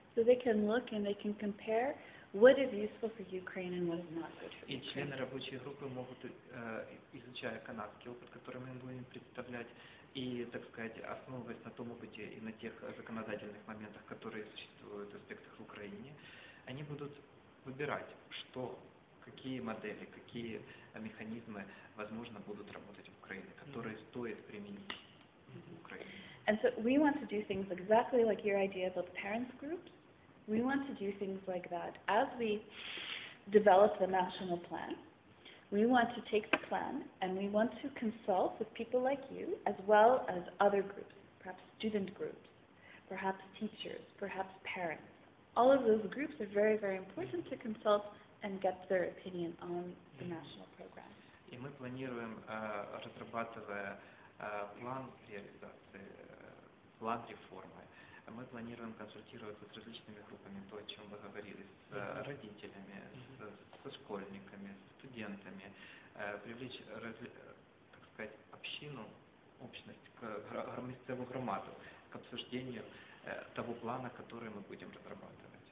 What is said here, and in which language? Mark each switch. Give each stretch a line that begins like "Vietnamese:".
English: So they can look and they can compare what is useful for Ukraine and what is not good for Ukraine.
Russian: И члены рабочей группы могут, изучая канадский опыт, который мы будем представлять, и, так сказать, основываясь на том опыте и на тех законодательных моментах, которые существуют в аспектах в Украине, они будут выбирать, что, какие модели, какие механизмы, возможно, будут работать в Украине, которые mm-hmm. стоит применить mm-hmm. в Украине.
English: And so we want to do things exactly like your idea about parents groups. We want to do things like that. As we develop the national plan, we want to take the plan and we want to consult with people like you, as well as other groups, perhaps student groups, perhaps teachers, perhaps parents. All of those groups are very, very important to consult and get their opinion on the national program.
Russian: И мы планируем, разрабатывая план реализации, план реформы, мы планируем консультироваться с различными группами, то, о чем вы говорили, с родителями, со школьниками, с студентами, привлечь, так сказать, общину, общность, к местному громаду, к обсуждению того плана, который мы будем разрабатывать.